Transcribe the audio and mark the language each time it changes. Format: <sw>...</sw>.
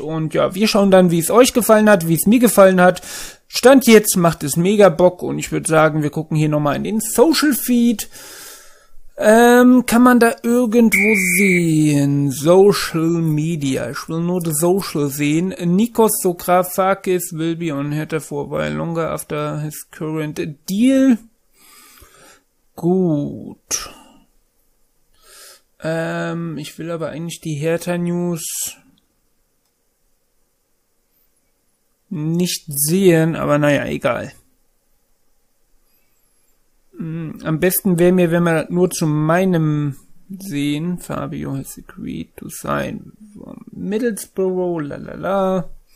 <de>Und ja, wir schauen dann, wie es euch gefallen hat, wie es mir gefallen hat. Stand jetzt macht es mega Bock und ich würde sagen, wir gucken hier nochmal in den Social Feed. Kann man da irgendwo sehen? Social Media. Ich will nur das Social sehen.</de> <en>Nikos Sokrafakis will be on Hertha for a while longer after his current deal.</en> <de>Gut. Ich will aber eigentlich die Hertha News nicht sehen, aber naja, egal. Am besten wäre mir, wenn wir nur zu meinem sehen.</de> <en>Fabio has agreed to sign from Middlesbrough, lalala.</en>